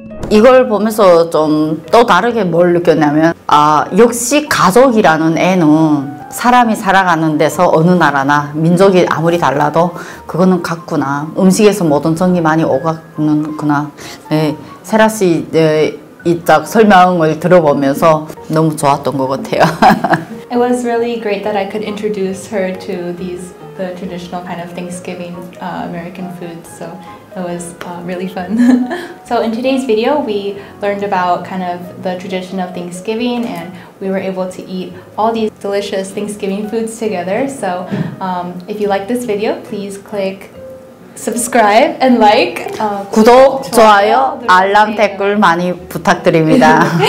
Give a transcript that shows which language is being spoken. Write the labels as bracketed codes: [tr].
[ko] 이걸 보면서 좀 또 다르게 뭘 느꼈냐면 아 역시 가족이라는 애는 사람이 살아가는 데서 어느 나라나 민족이 아무리 달라도 그거는 같구나. 음식에서 모든 정이 많이 오가는구나. 네, 세라 씨 이딱 설명을 들어보면서 너무 좋았던 것 같아요. [en] It was really great that I could introduce her to these the traditional kind of Thanksgiving American foods. So it was really fun. So in today's video, we learned about kind of the tradition of Thanksgiving and we were able to eat all these delicious Thanksgiving foods together. So if you like this video, please click subscribe and like. [ko] 구독, 좋아요, 알람 댓글 많이 부탁드립니다.